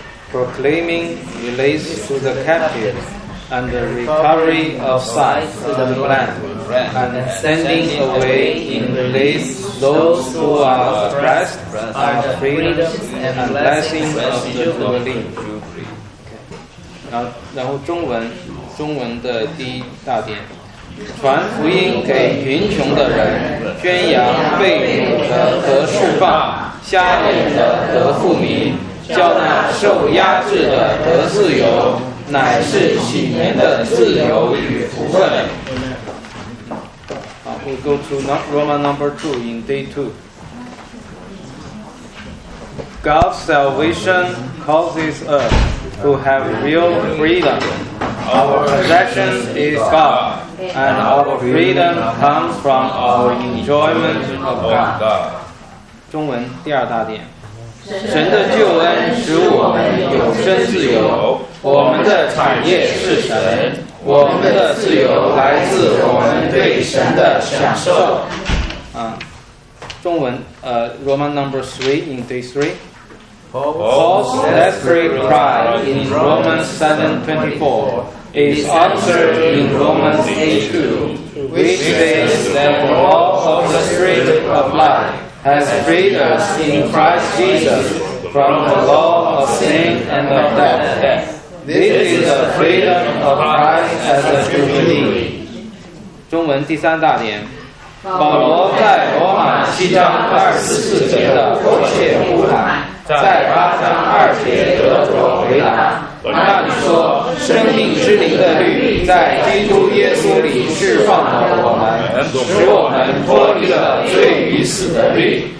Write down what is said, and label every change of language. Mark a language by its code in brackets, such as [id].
[en] Proclaiming release to the captive and the recovery of sight to the blind, and sending away in release those who are oppressed by freedom and blessing of the Jubilee. [zh] 然后中文的第一大点，传福音给贫穷的人，宣扬被掳的得释放，瞎眼的得复明。叫那受压制的得自由，乃是禧年的自由与福分。 [en] We'll go to Roman number 2 in day 2. God's salvation causes us to have real freedom. Our possession is God, and our freedom comes from our enjoyment of God. [zh] 中文第二大点，神的救恩使我们有身自由，我们的产业是神，我们的自由来自我们对神的享受。中文 [en] Roman number 3 in day 3. Paul's desperate cry in Romans 7:24 is answered in Romans 8:2, which says that for all of the spirit of life has freed us in Christ Jesus from the law of sin and of death. This is the freedom of Christ as a Jubilee. [zh] 中文第三大点，保罗在罗马七章二十四节的迫切呼喊，在八章二节得着回答。那里说，生命之灵的律在基督耶稣里释放了我们，使我们脱离了罪与死的律。